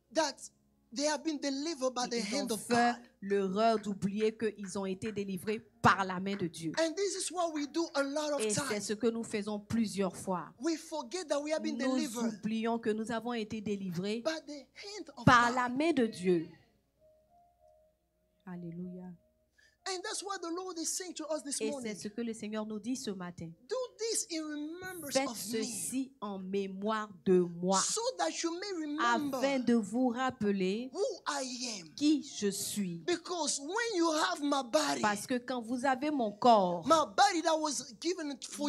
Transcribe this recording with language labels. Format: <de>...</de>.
<en>That they have been delivered by the hand of God.</en> <fr>Ils ont fait l'erreur d'oublier qu'ils ont été délivrés par la main de Dieu.</fr> <en>And this is what we do a lot of times.</en> <fr>Et c'est ce que nous faisons plusieurs fois.</fr> <en>We forget that we have been delivered.</en> <fr>Nous oublions que nous avons été délivrés</fr> <en>by the hand of</en> <fr>par</fr> <en>God.</en> <fr>La main de Dieu. Alléluia.</fr> <en>And that's what the Lord is saying to us this morning.</en> <fr>Et c'est ce que le Seigneur nous dit ce matin.</fr> <en>Do this in remembrance</en> <fr>faites</fr> <en>of me.</en> <fr>Ceci en mémoire de moi.</fr> <en>So that you may remember</en> <fr>afin de vous rappeler</fr> <en>who I am.</en> <fr>Qui je suis.</fr> <en>Because when you have my body,</en> <fr>parce que quand vous avez mon corps,</fr> <en>my body that was given for</en>